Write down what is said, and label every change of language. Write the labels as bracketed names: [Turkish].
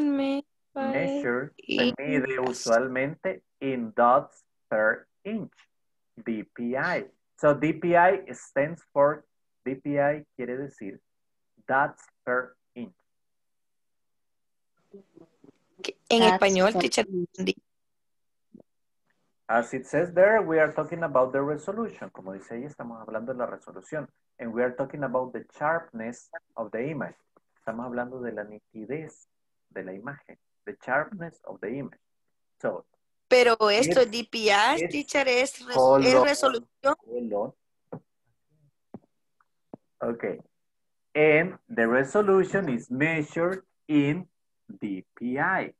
[English] measured. [Spanish] Se mide usualmente [English] in dots per inch. DPI. So DPI stands for [Spanish] DPI quiere decir [English] dots per inch. [Spanish] En español, teacher. [English] As it says there, we are talking about the resolution. [Spanish] Como dice ahí, estamos hablando de la resolución. [English] And we are talking about the sharpness of the image. [Spanish] Estamos hablando de la nitidez de la imagen. [English] The sharpness of the image. So. [Spanish] Pero esto es DPI, teacher, es resolución. [English] Okay. And the resolution is measured in DPI.